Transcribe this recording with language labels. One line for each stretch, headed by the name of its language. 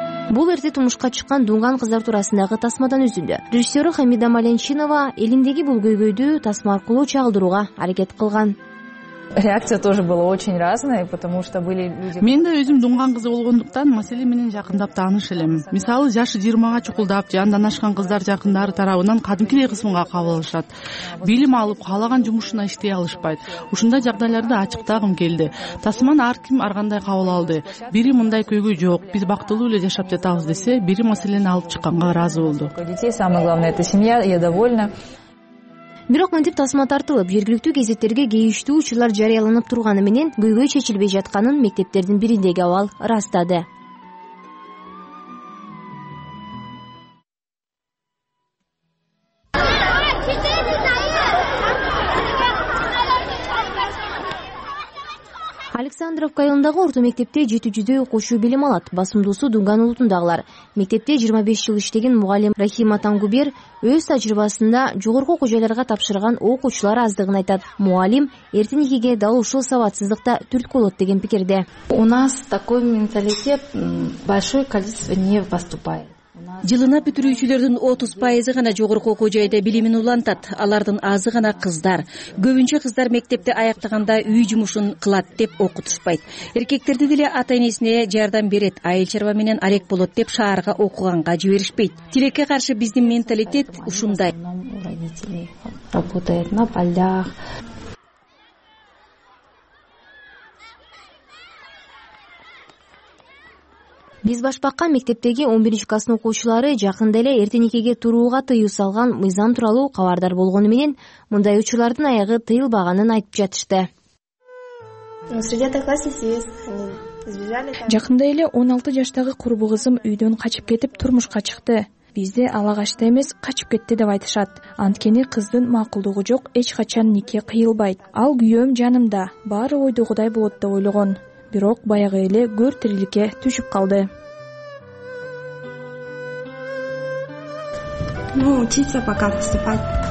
Kyrgyz: Бул эрте турмушка чыккан Дунган кыздар туурасындагы тасмадан үзүндү. Режиссеру Хамида Маленчинова элиндеги бул көйгөйдү тасма аркылуу чагылдырууга аракет кылган.
Russian: реакция тоже была очень разная, потому что были люди.
Kyrgyz: Мен да өзүм дунган кызы болгондуктан маселе менен жакындап тааныш элем. Мисалы, жашы 20га чукулдап, жандан ашкан кыздар жакындары тарабынан кадимкидей кысымга кабыл алышат. Билим алып, каалаган жумушуна иштей алышпайт. Ушундай жагдайларды ачыктагым келди. Тасман ар ким ар кандай кабыл алды. Бири мындай көйгөй жок, биз бактылуу эле жашап жатабыз десе, бири маселени алып чыкканга ыраазы болду.
Russian: Детей самое главное это семья, я довольна.
Kyrgyz: Бирок мынтип тасма тартылып, жергиликтүү гезиттерге кейиштүү учурлар жарыяланып турганы менен көйгөй чечилбей жатканын мектептердин бириндеги абал ырастады. Александров айылындагы орто мектепте 700 окуучу билим алат. Басымдуусу Дунган улутундагылар. Мектепте 25 жыл иштеген мугалим Рахим Атангубер өз тажрыйбасында жогорку окуу жайларга тапшырган окуучулар аздыгын айтат. Мугалим эртең эгеге дал ушул сабатсыздыкта түрткү болот деген пикирде.
Russian: У нас такой менталитет, большое количество не поступает.
Kyrgyz: Жылына бүтүрүүчүлөрдүн 30% гана жогорку окуу жайда билимин улантат. Алардын азы гана кыздар. Көбүнчө кыздар мектепти аяктаганда үй жумушун кылат деп окутушпайт. Эркектерди деле ата-энесине жардам берет, айыл чарба менен алек болот деп шаарга окуганга жиберишпейт. Тилекке каршы биздин менталитет ушундай.
Russian: Родители работают на полях.
Kyrgyz: Биз башбакка мектептеги 11 классынын окуучулары жакында эле эртең эгеге турууга тыюу салган мыйзам тууралуу кабардар болгону менен мындай учурлардын аягы тыйылбаганын айтып жатышты. Жакында эле 16 жаштагы курбу кызым үйдөн качып кетип турмушка чыкты. Бизде ала качты эмес, качып кетти деп айтышат. Анткени кыздын макулдугу жок, эч качан нике кыйылбайт. Ал күйөөм жанымда, баары ойдогудай болот деп ойлогон. Бирок баягы эле көр тирилике түшүп калды.
Russian: Ну, учиться пока поступать.